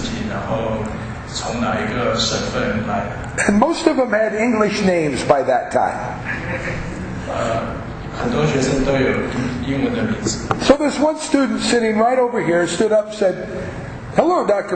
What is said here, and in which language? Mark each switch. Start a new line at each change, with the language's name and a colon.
Chinese: 在第一堂课，老师问学生说，介绍一下自己，然后从哪一个省份来。
English: And most of them had English names by that time.
Chinese: 很多学生都有英文的名字。
English: So this one student sitting right over here stood up and said, Hello, Dr.